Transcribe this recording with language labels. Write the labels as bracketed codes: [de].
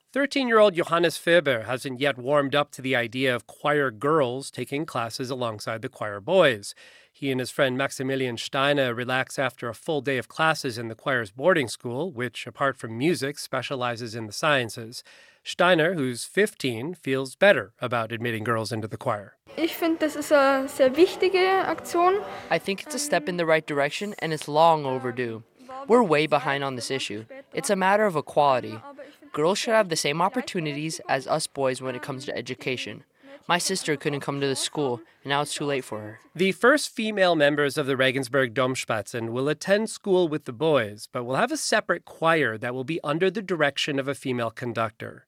[en] 13-year-old Johannes Ferber hasn't yet warmed up to the idea of choir girls taking classes alongside the choir boys. He and his friend Maximilian Steiner relax after a full day of classes in the choir's boarding school, which, apart from music, specializes in the sciences. Steiner, who's 15, feels better about admitting girls into the choir. [de] Ich finde, das ist eine sehr wichtige Aktion. [en] I think it's a step in the right direction, and it's long overdue. We're way behind on this issue. It's a matter of equality. Girls should have the same opportunities as us boys when it comes to education. My sister couldn't come to the school, and now it's too late for her. The first female members of the Regensburg Domspatzen will attend school with the boys, but will have a separate choir that will be under the direction of a female conductor.